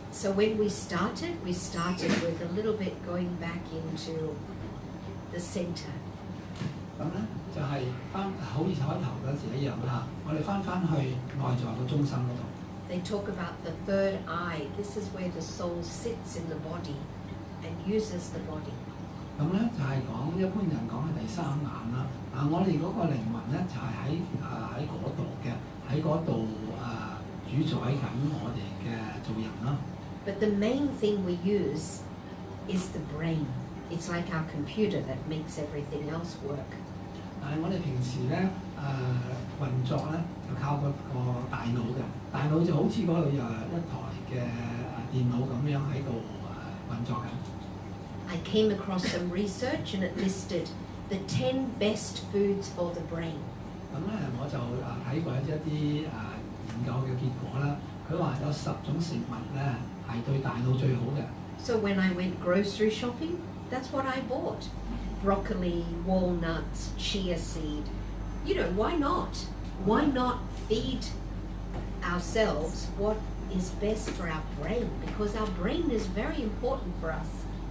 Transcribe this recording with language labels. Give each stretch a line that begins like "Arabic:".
English: So when we started with a little bit going back into the centre.
Cantonese: 咁咧就係翻好似開頭嗰時一樣啦，我哋翻去內在個中心嗰度。
English: They talk about the third eye. This is where the soul sits in the body and uses the body.
Cantonese: 咁咧就係講一般人講嘅第三眼啦。我哋嗰個靈魂咧就係喺嗰度嘅，喺嗰度主宰緊我哋嘅做人啦。
English: But the main thing we use is the brain. It's like our computer that makes everything else work.
Cantonese: 但係我哋平時咧運作咧就靠個大腦嘅，大腦就好似嗰度有一台嘅電腦咁樣喺度運作緊。
English: I came across some research and it listed the 10 best foods for the brain.
Cantonese: 咁咧，我就睇過一啲研究嘅結果啦。佢話有十種食物咧係對大腦最好嘅。
English: So when I went grocery shopping, that's what I bought: broccoli, walnuts, chia seed. You know, why not? Why not feed ourselves what is best for our brain? Because our brain is very important for us.